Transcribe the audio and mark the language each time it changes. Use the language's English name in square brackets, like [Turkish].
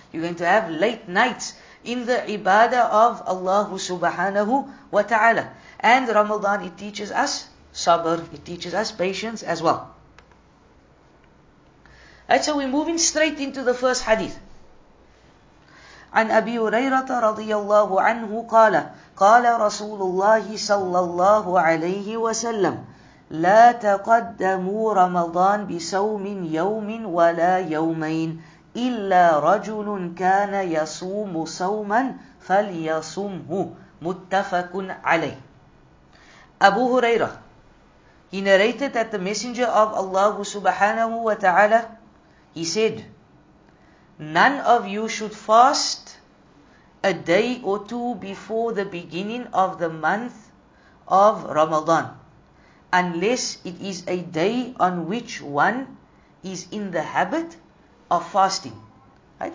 [English] You're going to have late nights in the ibadah of Allah subhanahu wa ta'ala. And Ramadan, it teaches us sabr. It teaches us patience as well. And so we're moving straight into the first hadith. [Arabic] عن أبي هريرة رضي الله عنه قال قال رسول الله صلى الله عليه وسلم لا تقدموا رمضان بصوم يوم ولا يومين إلا رجل كان يصوم صوما فليصومه متفق عليه. [English] أبو هريرة, he narrated that the messenger of Allah سبحانه وتعالى, he said, none of you should fast a day or two before the beginning of the month of Ramadan, unless it is a day on which one is in the habit of fasting. Right?